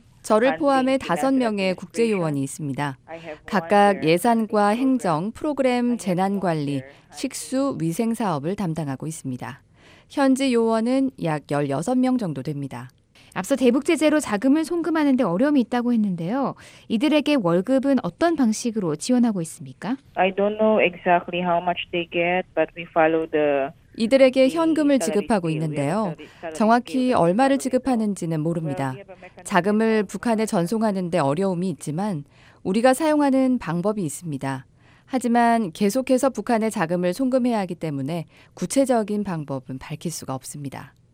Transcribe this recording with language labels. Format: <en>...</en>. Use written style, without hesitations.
<ko>저를 포함해 다섯 명의 국제 요원이 있습니다. 각각 예산과 행정, 프로그램, 재난 관리, 식수, 위생 사업을 담당하고 있습니다. 현지 요원은 약 16명 정도 됩니다. 앞서 대북 제재로 자금을 송금하는 데 어려움이 있다고 했는데요. 이들에게 월급은 어떤 방식으로 지원하고 있습니까?</ko> <en>I don't know exactly how much they get, but we follow the</en> <ko>이들에게 현금을 지급하고 있는데요. 정확히 얼마를 지급하는지는 모릅니다. 자금을 북한에 전송하는 데 어려움이 있지만 우리가 사용하는 방법이 있습니다. 하지만 계속해서 북한에 자금을 송금해야 하기 때문에 구체적인 방법은 밝힐 수가 없습니다.</ko>